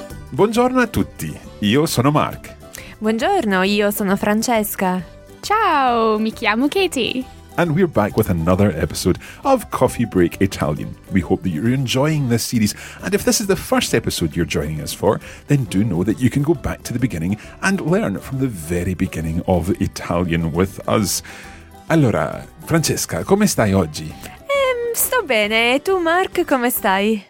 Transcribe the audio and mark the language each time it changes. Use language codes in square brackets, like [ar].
[it] Buongiorno a tutti, io sono Mark. Buongiorno, io sono Francesca. Ciao, mi chiamo Katie. [en] And we're back with another episode of Coffee Break Italian. We hope that you're enjoying this series. And if this is the first episode you're joining us for, then do know that you can go back to the beginning and learn from the very beginning of Italian with us. [it] Allora, Francesca, come stai oggi? Sto bene, e tu Mark, come stai?